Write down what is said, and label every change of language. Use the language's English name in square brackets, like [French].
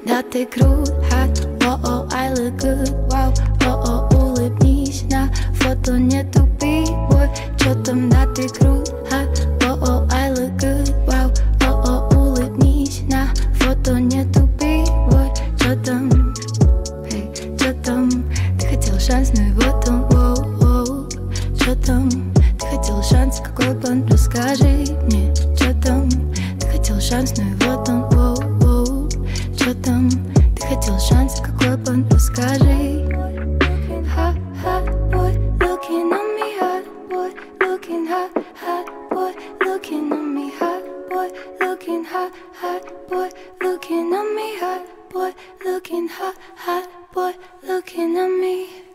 [Russian] Ты крут, [English] hot, whoa-oh, I look good, wow. [Russian] Whoa-oh, улыбнись на фото, не тупи, boy. Чё там, да ты крут, [English] hot, whoa-oh, I look good, wow. [Russian] Whoa-oh, улыбнись на фото, не тупи, boy. Чё там, hey, чё там, ты хотел шанс, ну и вот он, whoa-oh. Чё там, ты хотел шанс, какой план, расскажи мне. Чё там, ты хотел шанс, ну и вот он, whoa-oh. Там, ты хотел шанс, какой план, расскажи. [English] Hot, hot boy, looking on me. Hot boy, looking hot, hot boy, looking on me. Hot boy, looking hot, hot boy, looking on me. Hot boy, looking hot, hot boy, looking on me.